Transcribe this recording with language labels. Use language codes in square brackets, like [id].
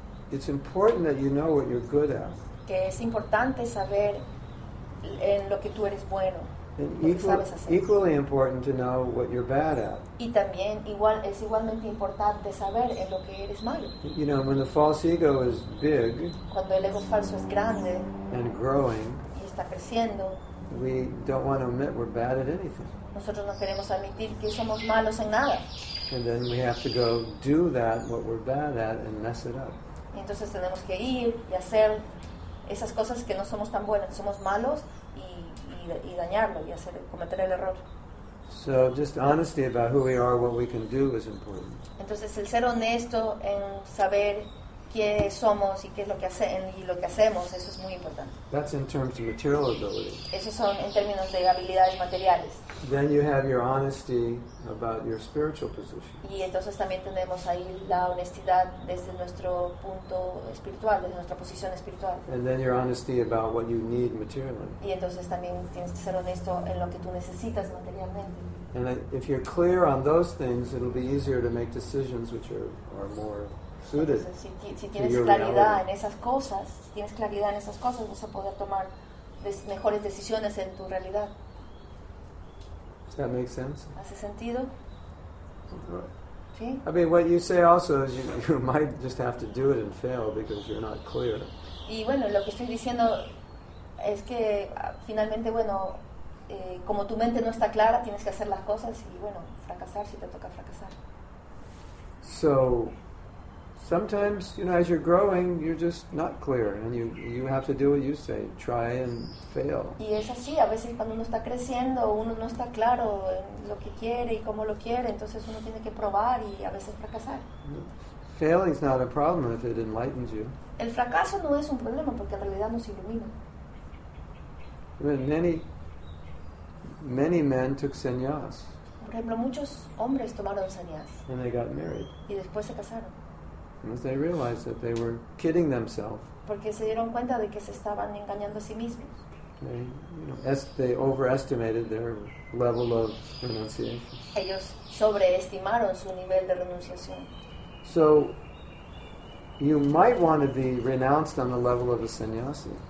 [en] It's important that you know what you're good at. [es] Que es importante saber en lo que tú eres bueno. [en] And equally important to know what you're bad at. [es] Y también es igualmente importante saber en lo que eres malo. [en] You know, when the false ego is big. [es] Cuando el ego falso es grande. [en] And growing. [es] Y está creciendo. [en] We don't want to admit we're bad at anything. [es] Nosotros no queremos admitir que somos malos en nada. [en] And then we have to go do that what we're bad at and mess it up. [es] Entonces tenemos que ir y hacer esas cosas que no somos tan buenas, somos malos y dañarlo y hacer cometer el error. [en] So just honesty about who we are, what we can do is important. [es] Entonces el ser honesto en saber quiénes somos y qué es lo que hacen y lo que hacemos, eso es muy importante. [en] That's in terms of material ability. [es] Esos son en términos de habilidades materiales. [en] Then you have your honesty about your spiritual position. [es] Y entonces también tenemos ahí la honestidad desde nuestro punto espiritual, desde nuestra posición espiritual. [en] And then your honesty about what you need materially. [es] Y entonces también tienes que ser honesto en lo que tú necesitas materialmente. [en] And if you're clear on those things, it'll be easier to make decisions which are more suited. [es] Entonces, si tienes claridad en esas cosas, si tienes claridad en esas cosas, vas a poder tomar mejores decisiones en tu realidad. [en] That makes sense. [es] ¿Hace sentido? [en] Sí. I mean, what you say also is you might just have to do it and fail because you're not clear. [es] Y bueno, lo que estoy diciendo es que finalmente, bueno, como tu mente no está clara, tienes que hacer las cosas y bueno, fracasar si te toca fracasar. [en] So sometimes, you know, as you're growing, you're just not clear, and you have to do what you say, try and fail. [es] Y es así, a veces cuando uno está creciendo, uno no está claro en lo que quiere y cómo lo quiere, entonces uno tiene que probar y a veces fracasar. [en] Failing's not a problem if it enlightens you. [es] El fracaso no es un problema porque en realidad nos ilumina. [en] Many men took sannyas. [es] Por ejemplo, muchos hombres tomaron sannyas. [en] And they got married. [es] Y después se casaron. [en] Because they realized that they were kidding themselves. [es] Porque se dieron cuenta de que se estaban engañando a sí mismos. [en] They, you know, they overestimated their level of renunciation. [es] Ellos sobreestimaron su nivel de renunciación. [en] So you might want to be renounced on the level of a sannyasi.